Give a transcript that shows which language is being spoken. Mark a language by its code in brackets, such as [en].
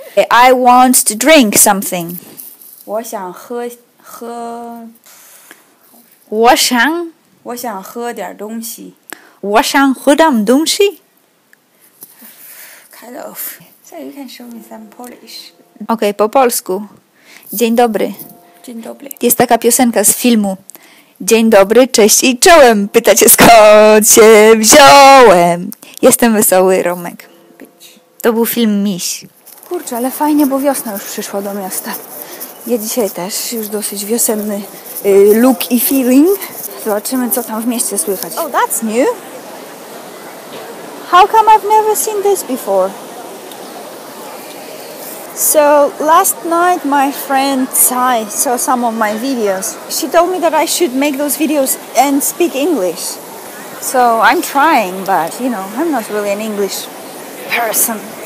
[en] I want to drink something. [zh] 我想喝... 我想... 我想喝点东西. 我想喝点东西? [en] Kind of. So you can show me some Polish. [pl] Ok, po polsku. Dzień dobry. Dzień dobry. Jest taka piosenka z filmu. Dzień dobry, cześć i czołem. Pytacie, skąd się wziąłem. Jestem wesoły, Romek. To był film Miś. Kurczę, ale fajnie, bo wiosna już przyszła do miasta. Ja dzisiaj też. Już dosyć wiosenny look i feeling. Zobaczymy, co tam w mieście słychać. [en] Oh, that's new. How come I've never seen this before? So, last night my friend Sai saw some of my videos. She told me that I should make those videos and speak English. So, I'm trying, but, you know, I'm not really an English person.